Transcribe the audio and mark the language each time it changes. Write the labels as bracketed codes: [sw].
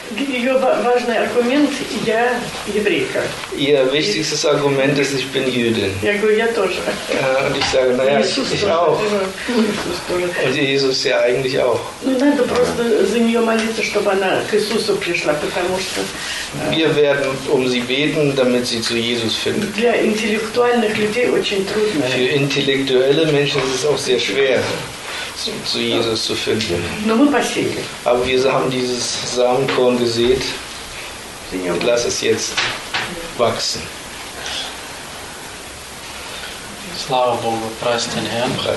[ru] Ее важный аргумент – я еврейка. [de] Ihr wichtigstes Argument ist, ich bin Jüdin. [ru] Я говорю, я тоже. [de] Und ich sage, naja, ich auch. Und Jesus ja eigentlich auch. [ru] Ну, надо просто за нее молиться, чтобы она к Иисусу пришла, потому что... [de] Wir werden um sie beten, damit sie zu Jesus findet. [ru] Для интеллектуальных людей очень трудно. [de] Für intellektuelle Menschen ist es auch sehr schwer, zu Jesus zu finden. Aber wir haben dieses Samenkorn gesät. Und lass es jetzt wachsen. [ru] Слава Богу, [de] preist den Herrn.